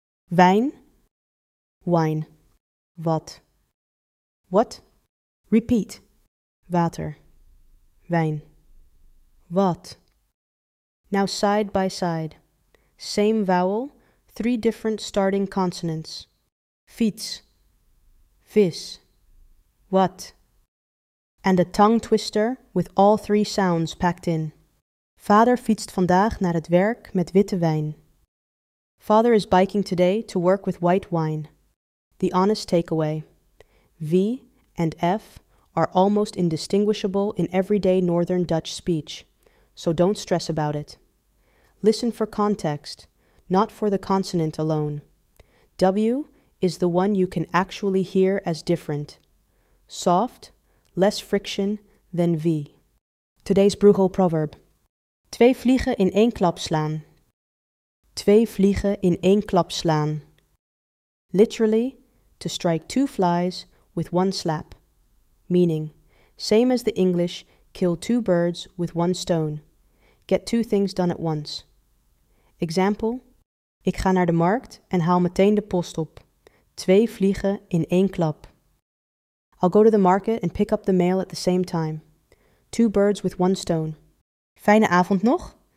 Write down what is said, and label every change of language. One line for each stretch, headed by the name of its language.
Dutch: Wijn.
English: Wine.
Dutch: Wat.
English: What? Repeat.
Dutch: Water. Wijn. Wat.
English: Now side by side. Same vowel, three different starting consonants.
Dutch: Fiets. Vis.
English: What? And a tongue twister with all three sounds packed in.
Dutch: Vader fietst vandaag naar het werk met witte wijn.
English: Father is biking today to work with white wine. The honest takeaway. V and F are almost indistinguishable in everyday Northern Dutch speech, so don't stress about it. Listen for context, not for the consonant alone. W is the one you can actually hear as different. Soft, less friction than V. Today's Bruegel proverb.
Dutch: Twee vliegen in één klap slaan. Twee vliegen in één klap slaan.
English: Literally, to strike two flies with one slap. Meaning, same as the English, kill two birds with one stone. Get two things done at once.
Dutch: Example, ik ga naar de markt en haal meteen de post op. Twee vliegen in één klap.
English: I'll go to the market and pick up the mail at the same time. Two birds with one stone.
Dutch: Fijne avond nog!